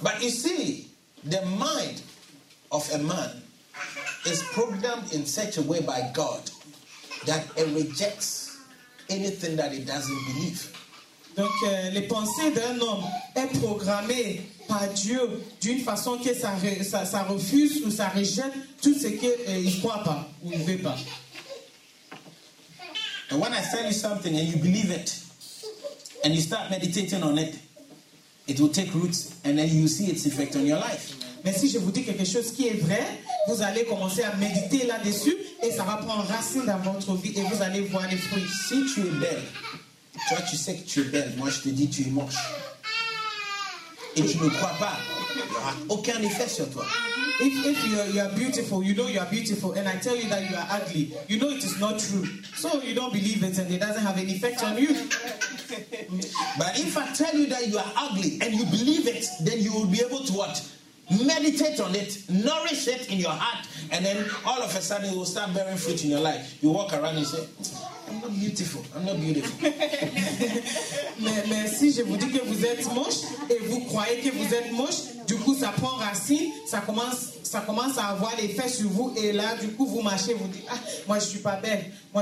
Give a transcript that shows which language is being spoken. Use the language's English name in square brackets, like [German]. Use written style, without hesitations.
[English] But you see, the mind of a man is programmed in such a way by God that it rejects anything that it doesn't believe. [French] Donc, les pensées d'un homme est programmée par Dieu d'une façon que ça refuse ou ça rejette tout ce qu'il croit pas ou ne veut pas. [English] And when I tell you something and you believe it and you start meditating on it, it will take roots and then you see its effect on your life. [French] Mais si je vous dis quelque chose qui est vrai, vous allez commencer à méditer là-dessus et ça va prendre racine dans votre vie et vous allez voir les fruits. Si tu es belle, toi tu sais que tu es belle, moi je te dis tu es moche. Et tu ne crois pas, il n'y aura aucun effet sur toi. [English] If you are beautiful, you know you are beautiful, and I tell you that you are ugly, you know it is not true. So you don't believe it and it doesn't have any effect on you. But if I tell you that you are ugly and you believe it, then you will be able to what? Meditate on it, nourish it in your heart, and then all of a sudden it will start bearing fruit in your life. You walk around and say, I'm not beautiful. [French] Mais si je vous dis que vous êtes moche et vous croyez que vous êtes moche, du coup ça prend racine, ça commence à avoir l'effet sur vous et là du coup vous marchez, vous dites moi je suis pas belle.